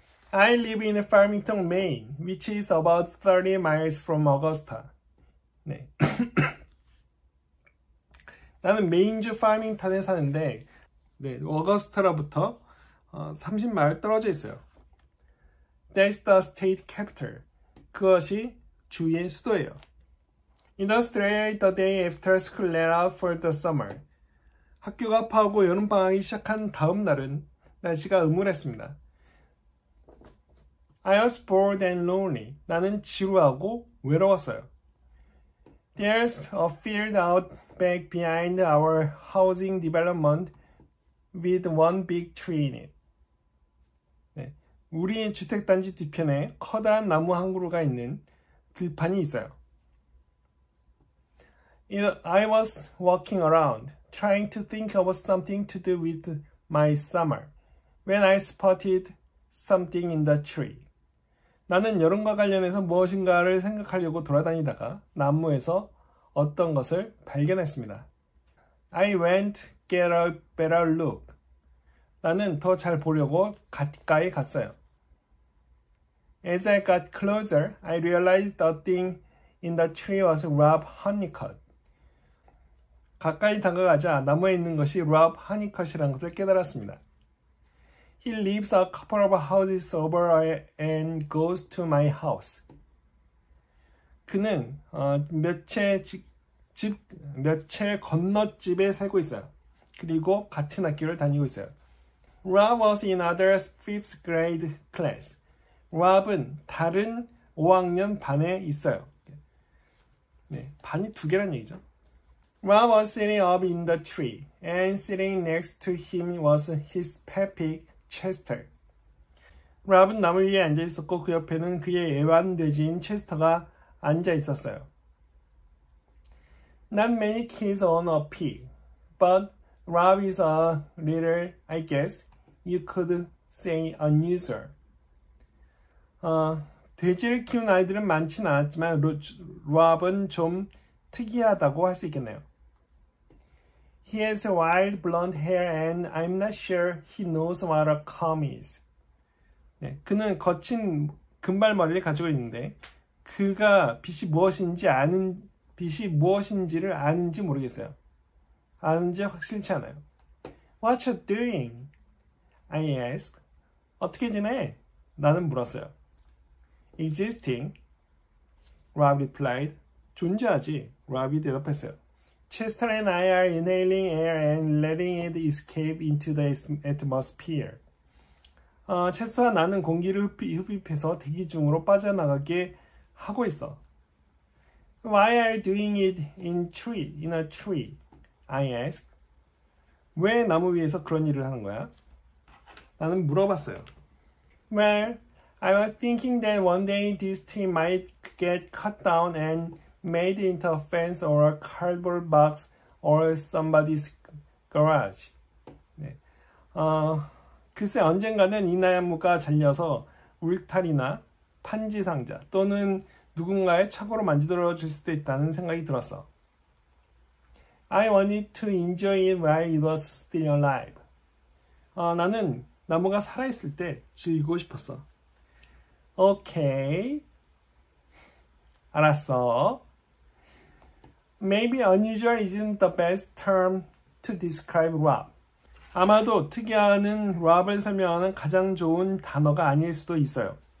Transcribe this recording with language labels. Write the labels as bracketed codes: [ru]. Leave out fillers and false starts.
[en] I live in Farmington, Maine, which is about 30 miles from Augusta. [ko] 네. 나는 메인주 파밍턴에 사는데, 네, 어거스타로부터 30마일 떨어져 있어요. [en] That's the state capital. [ko] 그것이 주의 수도예요. [en] In the stray the day after school let out for the summer. [ko] 학교가 파하고 여름방학이 시작한 다음 날은 날씨가 음울했습니다. [en] I was bored and lonely. [ko] 나는 지루하고 외로웠어요. [en] There's a field out back behind our housing development with one big tree in it. [ko] 우리 주택단지 뒤편에 커다란 나무 한 그루가 있는 들판이 있어요. [en] I was walking around, trying to think of something to do with my summer, when I spotted something in the tree. [ko] 나는 여름과 관련해서 무엇인가를 생각하려고 돌아다니다가 나무에서 어떤 것을 발견했습니다. [en] I went to get a better look. [ko] 나는 더잘 보려고 가까이 갔어요. [en] As I got closer, I realized the thing in the tree was Rob Honeycutt. [ko] 가까이 다가가자 나무에 있는 것이 Rob Honeycutt이라는 것을 깨달았습니다. [en] He lives a couple of houses over and goes to my house. [ko] 그는 몇채 건너집에 살고 있어요. 그리고 같은 학교를 다니고 있어요. [en] Rob was in other fifth grade class. [ko] 로압은 다른 5학년 반에 있어요. 네, 반이 두 개란 얘기죠. [en] Rob was sitting up in the tree, and sitting next to him was his pappy Chester. [ko] 로압은 나무 위에 앉아 있었고 그 옆에는 그의 애완돼지인 체스터가 앉아 있었어요. [en] Not many kids own a pig, but Rob is a little, I guess you could say, unusual. [ko] 돼지를 키운 아이들은 많진 않았지만 로압은 좀 특이하다고 할수 있겠네요. [en] He has wild blonde hair and I'm not sure he knows what a comb is. [ko] 네, 그는 거친 금발머리를 가지고 있는데 그가 빛이 무엇인지 아는 빛이 무엇인지를 아는지 모르겠어요. 아는지 확실치 않아요. [en] What you doing? I asked. [ko] 어떻게 지내? 나는 물었어요. [en] Existing, Rob replied. [ko] 존재하지, Rob이 대답했어요. [en] Chester and I are inhaling air and letting it escape into the atmosphere. [ko] 체스와 나는 공기를 흡입해서 대기 중으로 빠져나가게 하고 있어. [en] Why are you doing it in a tree? I asked. [ko] 왜 나무 위에서 그런 일을 하는 거야? 나는 물어봤어요. [en] Well, I was thinking that one day this tree might get cut down and made into a fence or a cardboard box or somebody's garage. [ko] 네. 글쎄 언젠가는 이 나무가 잘려서 울타리나 판지 상자 또는 누군가의 차고로 만들어 줄 수도 있다는 생각이 들었어. [en] I wanted to enjoy it while it was still alive. [ko] 나는 나무가 살아있을 때 즐기고 싶었어. 오케이. 알았어. [en] Maybe unusual isn't the best term to describe Rob. [ko] 아마도 특이한은 Rob을 설명하는 가장 좋은 단어가 아닐 수도 있어요.